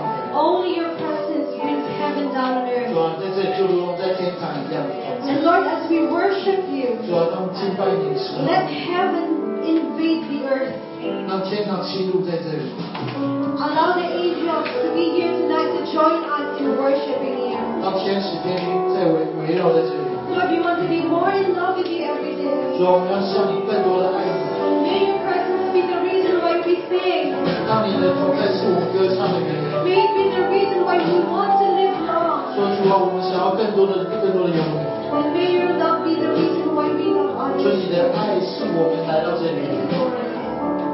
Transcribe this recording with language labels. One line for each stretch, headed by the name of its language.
English: Only your presence brings heaven down on earth. And Lord, as we worship you, let heaven invade the earth. Allow the angels to be here tonight to join us in worshiping you.
Chinese: 让天使天君在围绕在这里。
English: Lord, we want to be more in love with you every day.
Chinese: 主，我们要向你更多的爱。
English: May your presence be the reason why we sing.
Chinese: 让你的同在是我们歌唱的原因。
English: May it be the reason why we want to live long.
Chinese: 说主啊，我们想要更多的拥有。
English: And may your love be the reason why we love others.
Chinese: 说你的爱是我们来到这里。